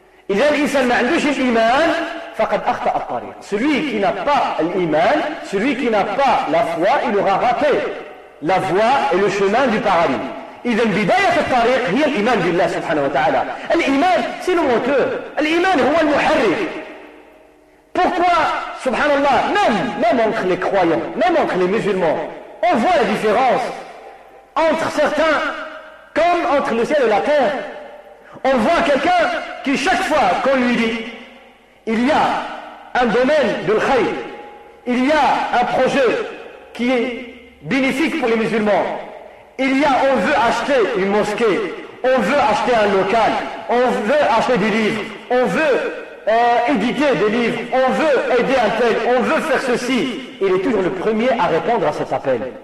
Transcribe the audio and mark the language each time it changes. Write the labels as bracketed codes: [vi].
[ar] إذا الإنسان ما عندوش الإيمان فقد أخطأ الطريق. [fr] Celui qui n'a pas l'iman, celui qui n'a pas la foi, il aura raté la voie et le chemin du paradis. [ar] إذا بداية الطريق هي الإيمان بالله سبحانه وتعالى. [fr] الإيمان c'est le moteur. [ar] الإيمان هو المحرك. [fr] Pourquoi, [ar] سبحان الله, [fr] même entre les croyants, même entre les musulmans, on voit la différence entre certains comme entre le ciel et la terre. On voit quelqu'un qui, chaque fois qu'on lui dit il y a un domaine de l'khayr, il y a un projet qui est bénéfique pour les musulmans, il y a, on veut acheter une mosquée, on veut acheter un local, on veut acheter des livres, on veut éditer des livres, on veut aider un tel, on veut faire ceci, il est toujours le premier à répondre à cet appel.